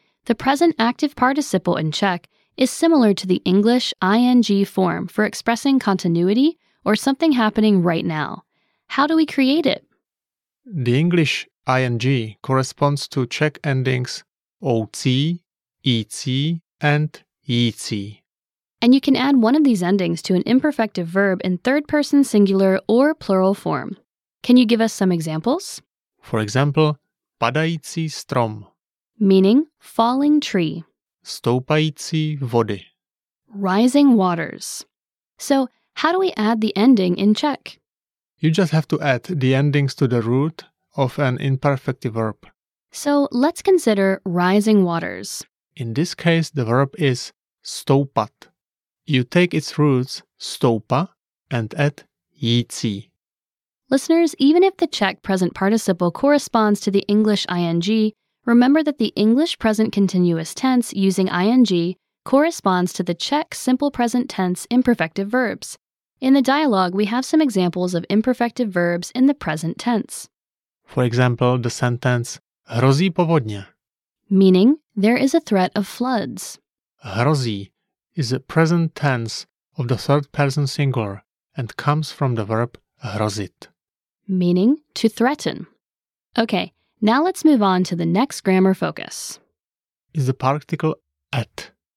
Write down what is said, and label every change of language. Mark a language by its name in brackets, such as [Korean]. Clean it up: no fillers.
[English] The present active participle in Czech is similar to the English ing form for expressing continuity or something happening right now. How do we create it? The English ing corresponds to Czech endings OC, EC, and EC. And you can add one of these endings to an imperfective verb in third-person singular or plural form. Can you give us some examples? For example, [Czech] padající strom, [English] meaning falling tree. [Czech] Stoupající vody, [English] rising waters. So, how do we add the ending in Czech? You just have to add the endings to the root of an imperfective verb. So, let's consider rising waters. In this case, the verb is stoupat. You take its roots, stoupa, and add jící. Listeners, even if the Czech present participle corresponds to the English ing, remember that the English present continuous tense using ing corresponds to the Czech simple present tense imperfective verbs. In the dialogue, we have some examples of imperfective verbs in the present tense. For example, the sentence [Czech] hrozí povodně, [English] meaning there is a threat of floods. Hrozí is a present tense of the third person singular and comes from the verb hrozit, meaning to threaten. Okay, now let's move on to the next grammar focus. Is the particle at?